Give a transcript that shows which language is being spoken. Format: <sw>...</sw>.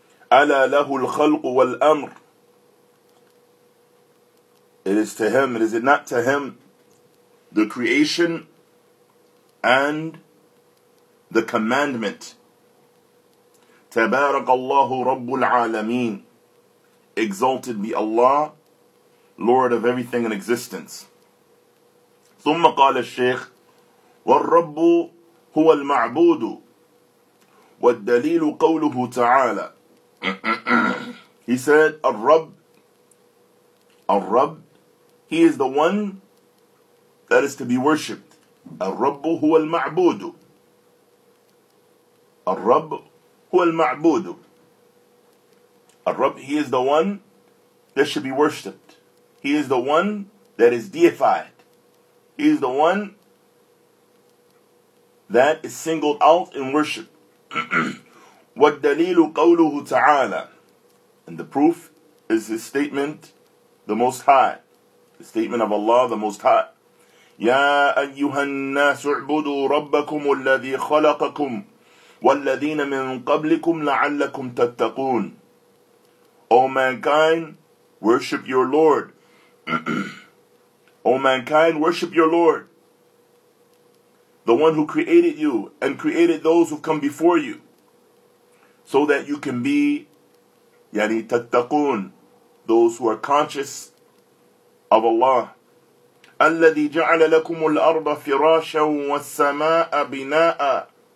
<ar>أَلَا لَهُ الْخَلْقُ وَالْأَمْرُ,</ar> <en>it is to him, and is it not to him, the creation and the commandment.</en> <ar>تَبَارَكَ اللَّهُ رَبُّ الْعَالَمِينَ,</ar> <en>exalted be Allah, Lord of everything in existence.</en> <ar>ثم قال الشيخ: والرب هو المعبود والدليل قوله تعالى.</ar> <en>He said, الرب, he is the one that is to be worshipped.</en> <ar>Al-Rabbu huwa al-Ma'budu. Al-Rabbu huwa al-Ma'budu.</ar> <en>Al-Rabbu, he is the one that should be worshipped. He is the one that is deified. He is the one that is singled out in worship.</en> <ar>وَالدَّلِيلُ قَوْلُهُ تَعَالَى.</ar> <en>And the proof is his statement, the Most High. The statement of Allah, the Most High.</en> <ar>يَا أَيُّهَا النَّاسُ اعْبُدُوا رَبَّكُمُ الَّذِي خَلَقَكُمْ وَالَّذِينَ مِنْ قَبْلِكُمْ لَعَلَّكُمْ تَتَّقُونَ.</ar> <en>O mankind, worship your Lord. O mankind, worship your Lord. The one who created you and created those who come before you, so that you can be,</en> <ar>yani tattaqun,</ar> <en>those who are conscious of Allah.</en> <ar>الَّذِي جَعَلَ لَكُمُ الْأَرْضَ فِرَاشًا وَالسَّمَاءَ بِنَاءً.</ar>